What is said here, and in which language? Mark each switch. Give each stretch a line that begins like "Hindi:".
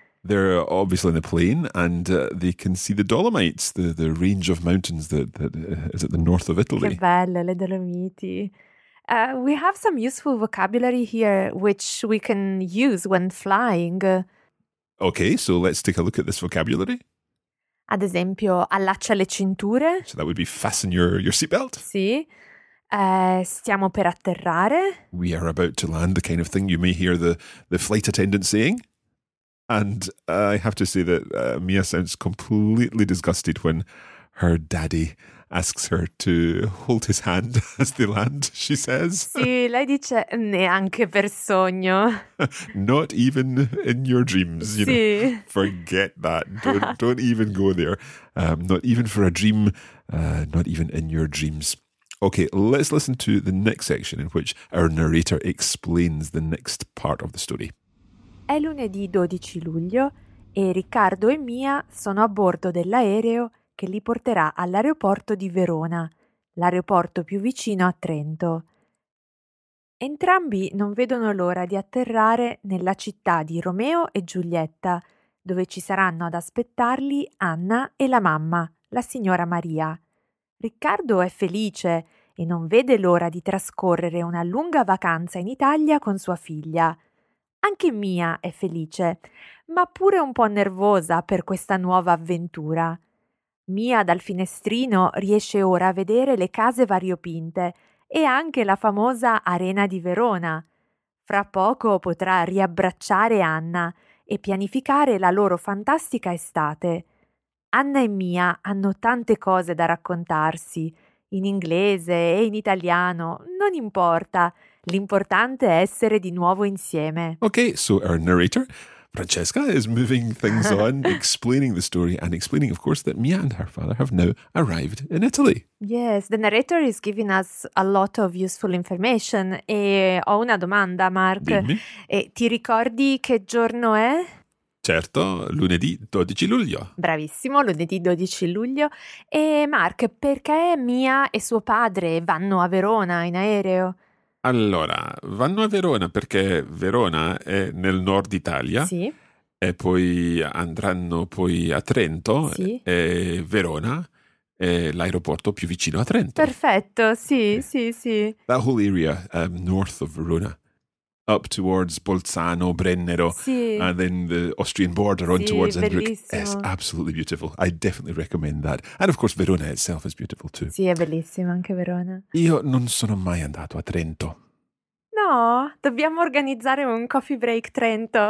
English: They're obviously in the plane and they can see the Dolomites, the range of mountains that is at the north of Italy.
Italian: Che belle, le Dolomiti.
English: We have some useful vocabulary here, which we can use when flying. Okay, so let's take a look at this vocabulary.
Italian: Ad esempio, allaccia le cinture.
English: So that would be fasten your seatbelt.
Italian: Sì. Stiamo per atterrare.
English: We are about to land, the kind of thing you may hear the flight attendant saying. And I have to say that Mia sounds completely disgusted when her daddy asks her to hold his hand as they land, she says.
Italian: Sì, lei dice neanche per sogno.
English: Not even in your dreams, you
Italian: sì.
English: Know. Forget that. Don't even go there. Not even for a dream. Not even in your dreams. Okay, let's listen to the next section in which our narrator explains the next part of the story.
Italian: È lunedì 12 luglio e Riccardo e Mia sono a bordo dell'aereo che li porterà all'aeroporto di Verona, l'aeroporto più vicino a Trento. Entrambi non vedono l'ora di atterrare nella città di Romeo e Giulietta, dove ci saranno ad aspettarli Anna e la mamma, la signora Maria. Riccardo è felice e non vede l'ora di trascorrere una lunga vacanza in Italia con sua figlia. Anche Mia è felice, ma pure un po' nervosa per questa nuova avventura. Mia dal finestrino riesce ora a vedere le case variopinte e anche la famosa Arena di Verona. Fra poco potrà riabbracciare Anna e pianificare la loro fantastica estate. Anna e Mia hanno tante cose da raccontarsi, in inglese e in italiano, non importa, l'importante è essere di nuovo insieme.
English: Ok, so our narrator, Francesca, is moving things on, explaining the story and explaining, of course, that Mia and her father have now arrived in Italy. Yes, the narrator is giving us a lot of useful information.
Italian: E ho una domanda, Mark. Dimmi. E ti ricordi che giorno è? Certo, lunedì 12 luglio. Bravissimo, lunedì 12 luglio. E Mark, perché Mia e suo padre vanno a Verona in aereo? Allora, vanno a Verona perché Verona è nel nord Italia. Sì. E poi andranno poi a Trento. Sì. E Verona è l'aeroporto più vicino a Trento. Perfetto, sì, sì, sì.
English: That whole area, north of Verona. Up towards Bolzano, Brennero,
Italian: sì.
English: And then the Austrian border on
Italian: sì,
English: towards Innsbruck. Yes, absolutely beautiful. I definitely recommend that. And of course, Verona itself is beautiful too.
Italian: Sì, è bellissima anche Verona. Io non sono mai andato a Trento. No, dobbiamo organizzare un
English: coffee break
Italian: Trento.